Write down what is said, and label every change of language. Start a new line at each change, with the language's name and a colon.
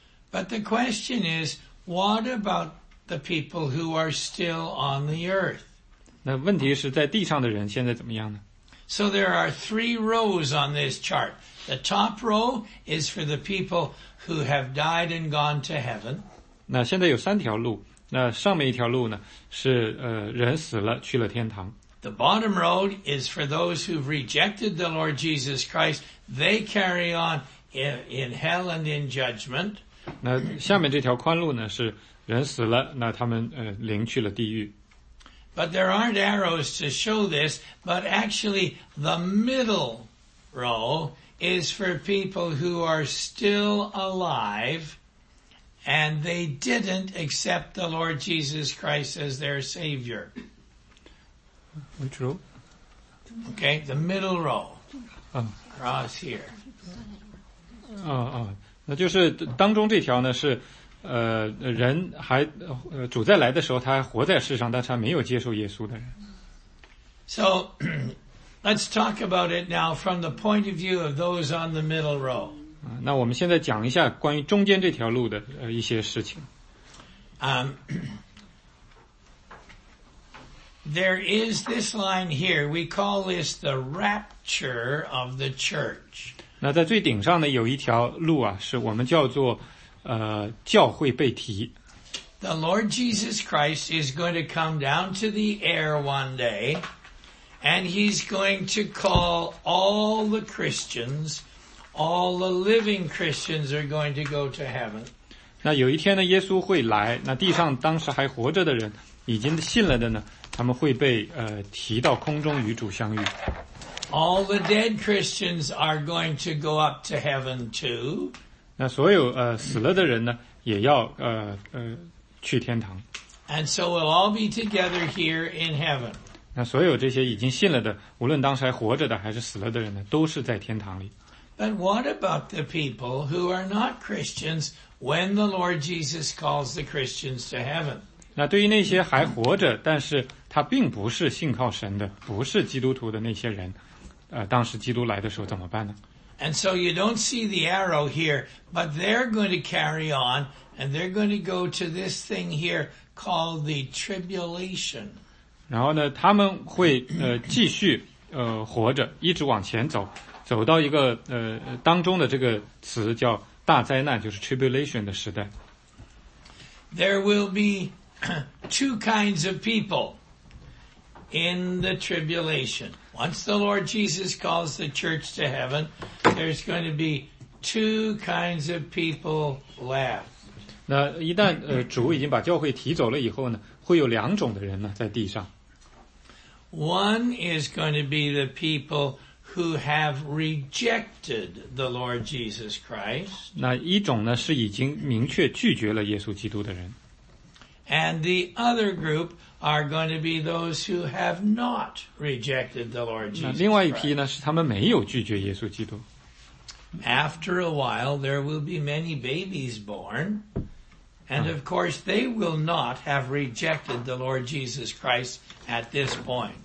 English: But the question is, what about the people who are still on the earth?
Chinese: 那问题是在地上的人现在怎么样呢？
English: So there are three rows on this chart. The top row is for the people who have died and gone to heaven.
Chinese: 那现在有三条路，那上面一条路呢，是人死了，去了天堂。
English: The bottom road is for those who've rejected the Lord Jesus Christ. They carry on in hell and in judgment.
Chinese: 那下面这条宽路呢，是人死了，那他们灵去了地狱。
English: But there aren't arrows to show this, but actually the middle row is for people who are still alive and they didn't accept the Lord Jesus Christ as their Savior. Which row? Okay, the middle row. Across here.
Chinese: 那就是当中这条呢是人还主再来的时候他还活在世上但是他没有接受耶稣的人。
English: So, let's talk about it now from the point of view of those on the middle row.
Chinese: 那我们现在讲一下关于中间这条路的一些事情。
English: There is this line here, we call this the rapture of the church.
Chinese: 那在最顶上呢有一条路啊是我们叫做教会被提。
English: The Lord Jesus Christ is going to come down to the air one day, and he's going to call all the Christians, all the living Christians are going to go to heaven.
Chinese: 那有一天呢耶稣会来那地上当时还活着的人已经信了的呢他们会被提到空中与主相遇。
English: All the dead Christians are going to go up to heaven too.
Chinese: 那所有死了的人呢也要去天堂。
English: And so we'll all be together here in heaven.
Chinese: 那所有这些已经信了的无论当时还活着的还是死了的人呢都是在天堂里。
English: But what about the people who are not Christians when the Lord Jesus calls the Christians to heaven?
Chinese: 那对于那些还活着但是他并不是信靠神的不是基督徒的那些人当时基督来的时候怎么办呢？
English: And so you don't see the arrow here, but they're going to carry on, and they're going to go to this thing here called the tribulation.
Chinese: 然后呢，他们会继续活着，一直往前走，走到一个当中的这个词叫大灾难，就是 tribulation 的时代。
English: There will be two kinds of people in the tribulation. Once the Lord Jesus calls the church to heaven, there's going to be two kinds of people left.
Chinese: 那一旦主已经把教会提走了以后呢，会有两种的人呢在地上。
English: One is going to be the people who have rejected the Lord Jesus Christ.
Chinese: 那一种呢是已经明确拒绝了耶稣基督的人。
English: And the other group are going to be those who have not rejected the Lord Jesus Christ.
Chinese: 那另外一批呢，是他们没有拒绝耶稣基督。
English: After a while, there will be many babies born, and of course, they will not have rejected the Lord Jesus Christ at this point.